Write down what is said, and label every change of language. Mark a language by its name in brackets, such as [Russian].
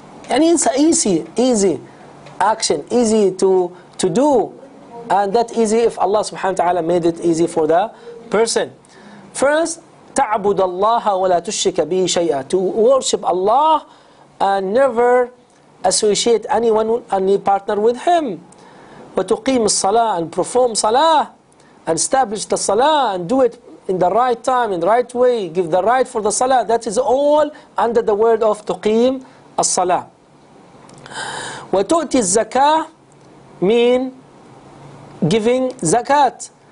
[English] And it's easy action, easy to do, and that easy if Allah subhanahu wa ta'ala made it easy for the person. [Arabic] First, تعبد الله ولا تشرك به شيئا. [English] To worship Allah and never associate anyone, any partner with Him. [Arabic] وتقيم الصلاة [English] and perform [Arabic] صلاة. [English] And establish the salah and do it in the right time, in the right way, give the right for the salah. That is all under the word of tuqim as-salah. Wa tu'ti zakah mean giving zakat.